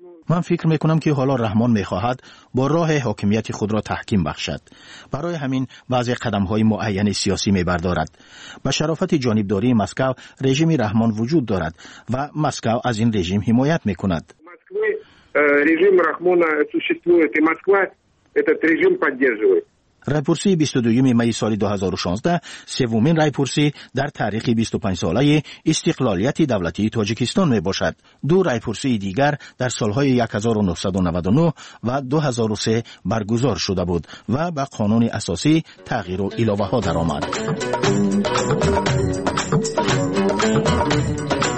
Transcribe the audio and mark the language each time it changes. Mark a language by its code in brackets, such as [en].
[fa] من فکر میکنم که حالا رحمان میخواهد با راه حاکمیت خود را تحکیم بخشد. برای همین بعضی قدمهای معین سیاسی میبردارد. با شرافت جانبداری مسکو رژیم رحمان وجود دارد و مسکو از این رژیم حمایت میکند. رژیم رحمان [ru] существует и Москва этот режим поддерживает. [fa] رایپورسی 22 می سال 2016 سومین رایپورسی در تاریخ 25 ساله استقلالیت دولتی تاجیکستان می باشد. دو رایپورسی دیگر در سالهای 1999 و 2003 برگزار شده بود و به قانون اساسی تغییر و اضافه ها در آمد.